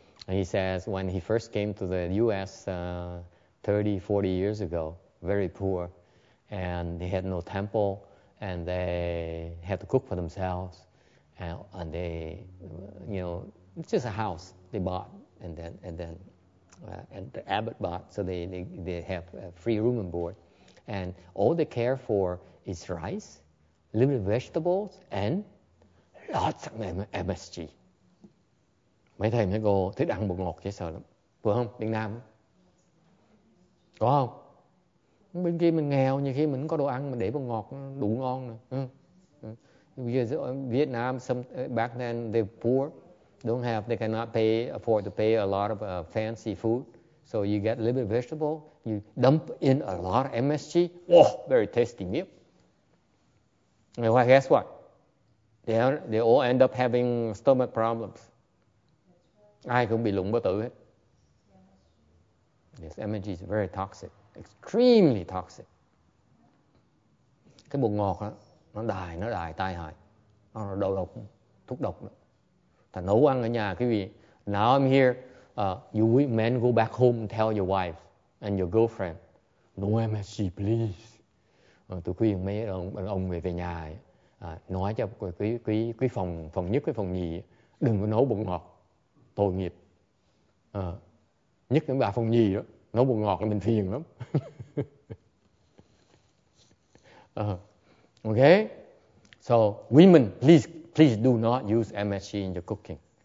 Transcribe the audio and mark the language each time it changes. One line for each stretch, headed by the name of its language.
English: And he says when he first came to the U.S. 30, 40 years ago, very poor, and they had no temple, and they had to cook for themselves, and they, you know, it's just a house they bought, and the abbot bought, so they have a free room and board, and all they care for is rice, limited vegetables, and lots of MSG.
Vietnamese: Mấy thầy mấy cô thích ăn bột ngọt chứ sợ lắm. Phải không? Việt Nam. Có không? Bên kia mình nghèo, nhiều khi mình có đồ ăn mà để bột ngọt đủ ngon nữa.
English: Việt Nam, back then, they're poor. They cannot afford to pay a lot of fancy food. So you get a little bit of vegetable, you dump in a lot of MSG. Oh, very tasty meal. And well, guess what? They all end up having stomach problems.
Vietnamese: Ai cũng bị lụng bất tử hết.
English: Yes, MSG is very toxic, extremely toxic.
Vietnamese: Cái bột ngọt đó, nó đài tai hại, nó là đầu độc, thuốc độc đó. Thành nấu ăn ở nhà, quý vị.
English: Now I'm here, you men go back home and tell your wife and your girlfriend, no MSG, please.
Vietnamese: Tôi khuyên mấy ông về nhà, nói cho quý phòng nhất, quý phòng nhì, đừng có nấu bột ngọt. Tội nghiệp. Nhất những bà phòng nhì đó, nấu bột ngọt là mình phiền lắm.
English: Okay? So, women, please do not use MSG in your cooking.